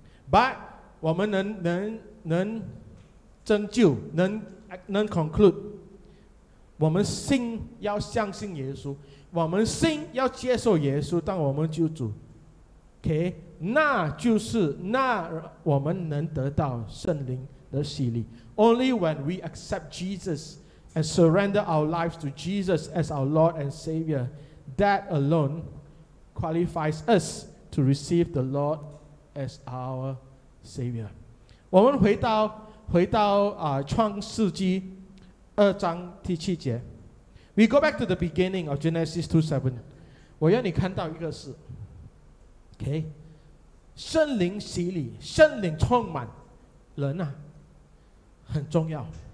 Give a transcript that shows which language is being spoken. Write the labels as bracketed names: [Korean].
[Chinese] But 我们能拯救，能 conclude， 我们信要相信耶稣，我们信要接受耶稣当我们救主 ，OK？那我们能得到圣灵的洗礼。 [English] Only when we accept Jesus and surrender our lives to Jesus as our Lord and Savior, that alone qualifies us to receive the Lord as our Savior. [Chinese] 我们回到创世纪二章第七节。 [English] We go back to the beginning of Genesis 2:7. [Chinese] 我要你看到一个事。 [English] Okay. [Chinese] 圣灵洗礼，圣灵充满人啊，很重要。